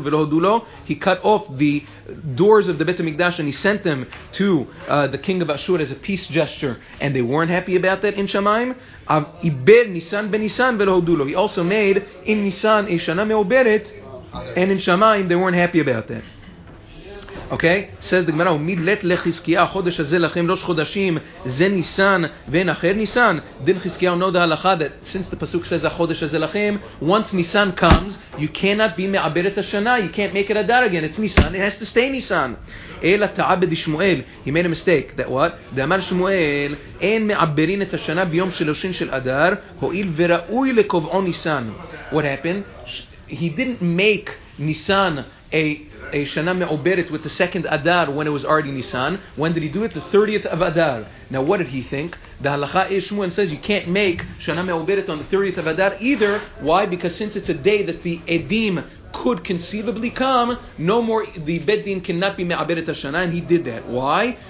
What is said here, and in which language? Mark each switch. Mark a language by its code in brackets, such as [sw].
[en] Velo hodulo, he cut off the doors of the Bet HaMikdash and he sent them to the king of Ashur as a peace gesture, and they weren't happy about that in Shamayim. Iber Nisan ben Nisan velo hodulo, he also made in Nisan a shana meoberet, and in Shamayim they weren't happy about that. Okay, says the Gemara, [he] ומיד לת לחזקיה חודש הזה לכם ראש חודשים זה ניסן ואין אחר ניסן. דין חזקיה נודע הלכה, [en] that since the pasuk says [he] החודש הזה לכם, [en] once ניסן comes, you cannot be מעבר את השנה, you can't make it a dar again, it's ניסן, it has to stay ניסן. [he] אלא תעבד שמואל, [en] he made a mistake, that what? [he] דאמר שמואל, אין מעברין את השנה ביום שלושים של אדר, הועיל וראוי לקובעו ניסן. [en] What happened? He didn't make ניסן a Shana Me'oberet with the second Adar when it was already Nisan. When did he do it? The 30th of Adar. Now what did he think? The Halakha Ishmuel says you can't make Shana Me'oberet on the 30th of Adar either. Why? Because since it's a day that the Edim could conceivably come, no more the Beddin cannot be Me'oberet HaShana, and he did that. Why?